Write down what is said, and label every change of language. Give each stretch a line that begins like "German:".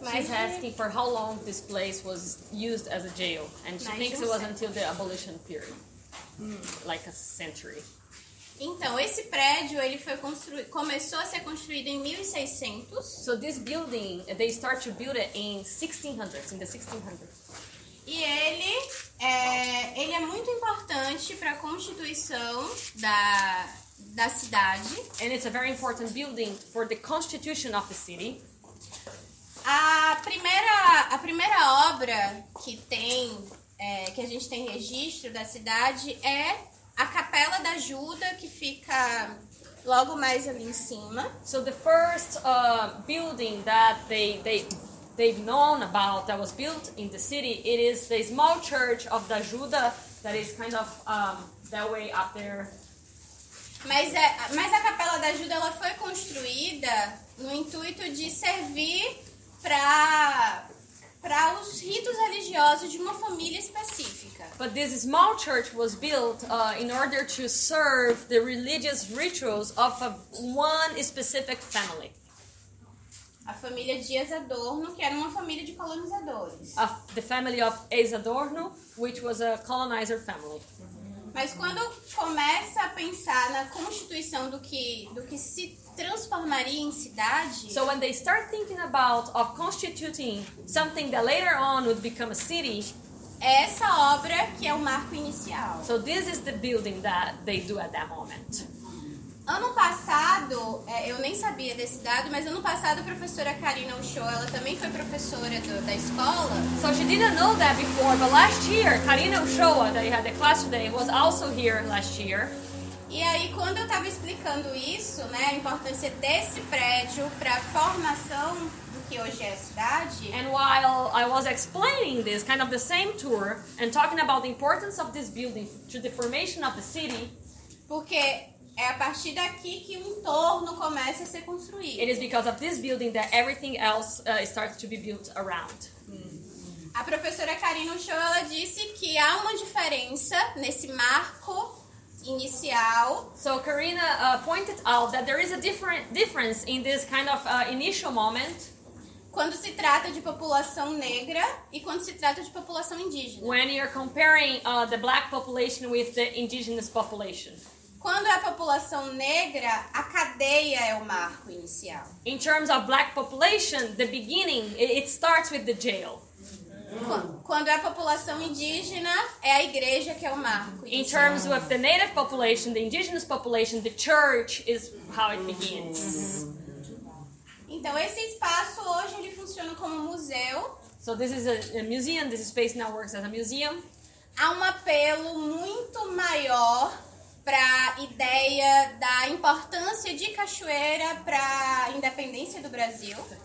English: asking for how long this place was used as a jail, and she thinks it was until the abolition period, like a century.
Portuguese: Então, esse prédio, ele foi começou a ser construído em 1600.
English: So this building, they start to build it in 1600s, in the 1600s.
Portuguese: E ele, ele é muito importante para a constituição da cidade.
English: And it's a very important building for the constitution of the city.
Portuguese: A primeira obra que tem, que a gente tem registro da cidade é a Capela da Ajuda, que fica logo mais ali em cima.
English: So the first building that they've known about that was built in the city, it is the small church of da Ajuda that is kind of that way up there.
Portuguese: Mas a Capela da Ajuda, ela foi construída no intuito de servir para os ritos religiosos de uma família específica.
English: But this small church was built in order to serve the religious rituals of one specific family.
Portuguese: A família de Adorno, que era uma família de colonizadores.
English: The family of Adorno, which was a colonizer family.
Portuguese: Mas quando começa a pensar na constituição do que se transformaria em cidade.
English: So when they start thinking about of constituting something that later on would become a city,
Portuguese: é essa obra que é o marco inicial.
English: So this is the building that they do at that moment.
Portuguese: Ano passado, eu nem sabia desse dado, mas ano passado a professora Karina Ochoa, ela também foi professora da escola.
English: So she didn't know that before, but last year, Karina Ochoa, that had the class today, was also here last year.
Portuguese: E aí, quando eu estava explicando isso, né, a importância desse prédio para a formação do que hoje é a cidade.
English: And while I was explaining this, kind of the same tour, and talking about the importance of this building to the formation of the city.
Portuguese: Porque É a partir daqui que o entorno começa a ser construído.
English: It is because of this building that everything else starts to be built around.
Portuguese: A professora Karina Ochoa, ela disse que há uma diferença nesse marco inicial.
English: So Karina pointed out that there is a difference in this kind of initial moment.
Portuguese: Quando se trata de população negra e quando se trata de população indígena.
English: When you're comparing the black population with the indigenous population.
Portuguese: Quando é a população negra, a cadeia é o marco inicial.
English: In terms of black population, the beginning, it starts with the jail.
Portuguese: Quando é a população indígena, é a igreja que é o marco.
English: In terms of the native population, the indigenous population, the church is how it begins.
Portuguese: Então, esse espaço hoje ele funciona como museu.
English: So this is a museum, this space now works as a museum.
Portuguese: Há um apelo muito maior para a ideia da importância de Cachoeira para a independência do Brasil.